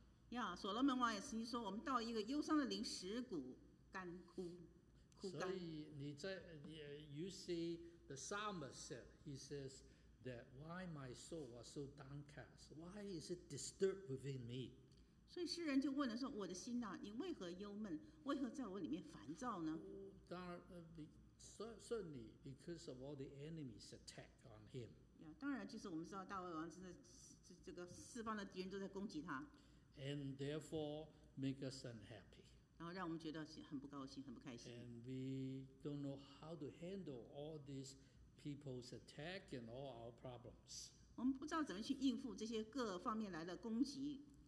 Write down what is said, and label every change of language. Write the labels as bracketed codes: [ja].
[zh] Yeah, Solomon 王也曾经说，我们到一个忧伤的灵，使骨干枯，枯干。所以你在 [en] you see the psalmist said, he says that why my soul was so downcast, why is it disturbed within me? [zh] 所以诗人就问了说，我的心呐，你为何忧闷？为何在我里面烦躁呢？当然。 [en] Certainly, because of all the enemies' attack on him. [zh] Yeah, 当然就是我们知道大卫王真的这个四方的敌人都在攻击他。 [en] And therefore, make us unhappy. [zh] 然后让我们觉得很不高兴，很不开心。 [en] And we don't know how to handle all these people's attack and all our problems. [zh] 我们不知道怎么去应付这些各方面来的攻击。